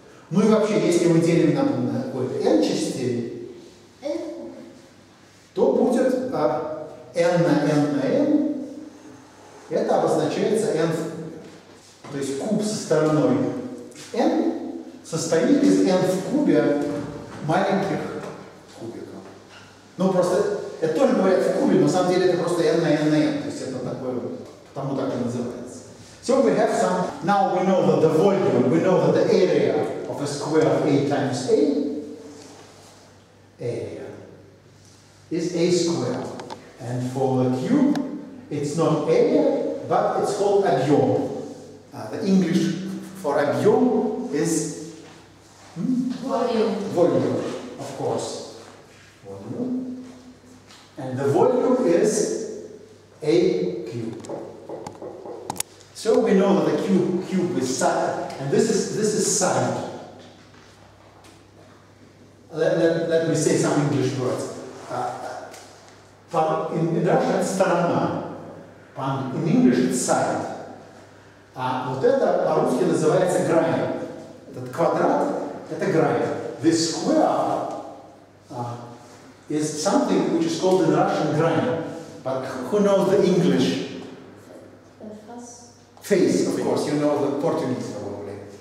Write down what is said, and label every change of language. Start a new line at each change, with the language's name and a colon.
Russian: Ну и вообще, если мы делим на какой-то n частей, то будет n на n на n, это обозначается n в кубе. То есть куб со стороной n состоит из n в кубе маленьких кубиков. Ну просто, это тоже бывает в кубе, но на самом деле это просто n на n на n, то есть это такое вот. Потому так и называется.
English: So we have some, now we know that the volume, we know that the area of a square of A times A, area, is A square. And for the cube, it's not area, but it's called объем. The English for объем is volume. Volume, of course. Volume. And the volume is A cube. So we know that the cube is side, and this is side. Let me say some English words. In Russian it's сторона, in English it's side.
Russian: Вот это по-русски называется грань. Этот квадрат – это грань.
English: This square is something which is called in Russian грань. But who knows the English? Face, of course, you know the Portuguese probably.